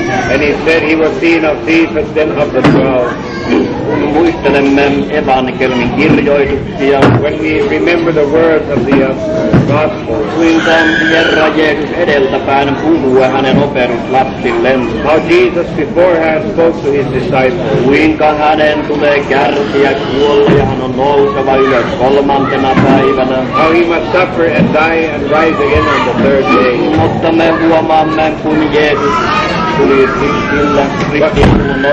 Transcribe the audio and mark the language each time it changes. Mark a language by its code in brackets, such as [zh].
[en] And he said he was seen of Jesus then of the 12. [fi] Kun muistelemme evankeliumin kirjoituksia, [en] when we remember the words of the gospel, [fi] kuinka Herra Jeesus edeltäpäin puhui hänen opetuslapsillensa, [en] how Jesus beforehand spoke to his disciples, [fi] kuinka hänen tulee kärsiä kuolla ja hän on nouseva ylös 3. päivänä, [en] how he must suffer and die and rise again on the 3rd day. [fi] Mutta me huomaamme, kun Jeesus tuli ristillä, ristiin,